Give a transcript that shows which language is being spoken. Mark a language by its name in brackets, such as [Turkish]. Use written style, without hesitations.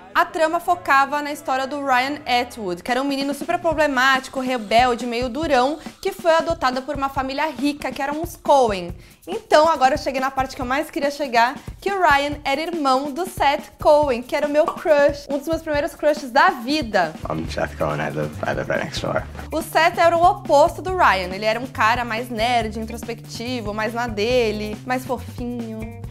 [Portuguese] A trama focava na história do Ryan Atwood, que era um menino super problemático, rebelde, meio durão, que foi adotado por uma família rica, que eram os Coen. Então, agora eu cheguei na parte que eu mais queria chegar, que o Ryan era irmão do Seth Coen, que era o meu crush, um dos meus primeiros crushes da vida. [English] I'm Seth Coen, I live right next door. [Portuguese] O Seth era o oposto do Ryan, ele era um cara mais nerd, introspectivo, mais na dele, mais fofinho.